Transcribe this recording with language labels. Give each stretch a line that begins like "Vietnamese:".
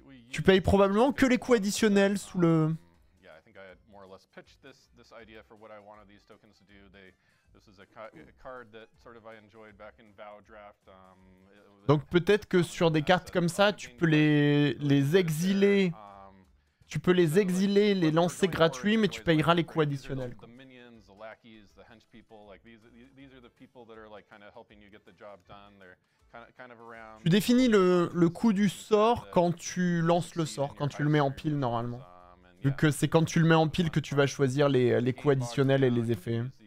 French: Tu payes probablement que les coûts additionnels sous le.
English: Yeah, I think I had more or less pitched this idea for what I wanted these tokens to do. This is a card that sort of I enjoyed back in Vow Draft.
French: Donc peut-être que sur des cartes comme ça, tu peux les exiler. Tu peux les exiler, les lancer gratuits, mais tu payeras les coûts additionnels.
English: The minions, the lackeys, the hench people, like these are the people that are like kind of helping you get the job done. They're
French: tu définis le coût du sort quand tu lances le sort, quand tu le mets en pile normalement. Vu que c'est quand tu le mets en pile que tu vas choisir les coûts additionnels et les effets.